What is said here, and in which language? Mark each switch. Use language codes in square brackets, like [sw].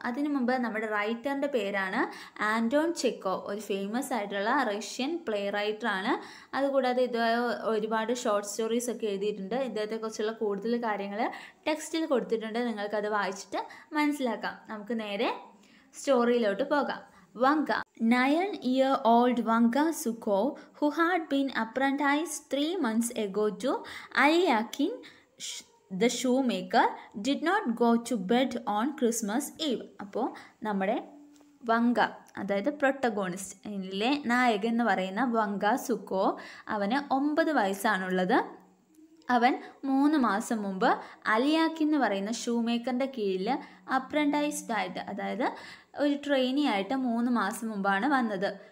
[ml] അതിനു മുമ്പ് നമ്മുടെ റൈറ്ററിൻ്റെ പേരാണ് ആൻ്റോൺ ചെക്കോ. ഒരു ഫേമസ് ആയിട്ടുള്ള റഷ്യൻ പ്ലേ റൈറ്ററാണ്. അതുകൂടാതെ ഇതുവരെ ഒരുപാട് ഷോർട്ട് സ്റ്റോറീസ് ഒക്കെ എഴുതിയിട്ടുണ്ട്. ഇദ്ദേഹത്തെക്കുറിച്ചുള്ള കൂടുതൽ കാര്യങ്ങൾ ടെക്സ്റ്റിൽ കൊടുത്തിട്ടുണ്ട്. നിങ്ങൾക്കത് വായിച്ചിട്ട് മനസ്സിലാക്കാം. നമുക്ക് നേരെ സ്റ്റോറിയിലോട്ട് പോകാം. Vanga. [en] 9-year-old Vanka Sukho, who had been apprenticed 3 months ago to Aliakin, the shoemaker, did not go to bed on Christmas Eve. [ml] അപ്പോൾ നമ്മുടെ വങ്ക, അതായത് പ്രൊട്ടഗോണിസ്റ്റിലെ നായകൻ എന്ന് പറയുന്ന വങ്ക സുക്കോ, അവന് 9 വയസ്സാണുള്ളത്. അവൻ 3 മാസം മുമ്പ് അലിയാക്കി എന്ന് പറയുന്ന ഷൂമേക്കറിൻ്റെ കീഴിൽ അപ്രന്റൈസ്ഡ് ആയിട്ട് അതായത് ഒരു ട്രെയിനി ആയിട്ട് 3 മാസം മുമ്പാണ് വന്നത്.